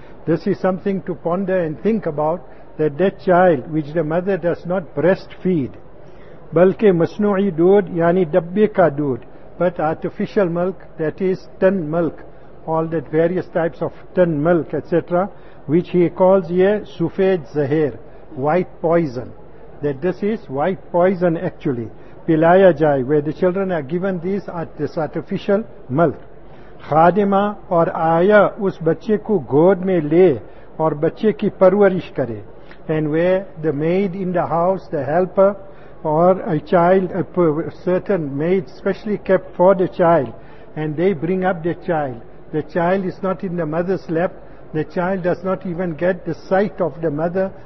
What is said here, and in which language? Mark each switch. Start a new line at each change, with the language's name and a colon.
English: This is something to ponder and think about, that that child which the mother does not breastfeed,
Urdu: بلکہ مصنوعی دودھ یعنی ڈبے کا دودھ,
English: but artificial milk, that is tin milk, all that various types of tin milk etc., which he calls here
Urdu: سفید زہر,
English: white poison, that this is white poison actually,
Urdu: پلایا جائے,
English: where the children are given this artificial milk.
Urdu: خادمہ اور آیا اس بچے کو گود میں لے اور بچے کی پرورش کرے.
English: And where the maid in the house, the helper, or a child, a certain maid specially kept for the child, and they bring up the child. The child is not in the mother's lap. The child does not even get the sight of the mother.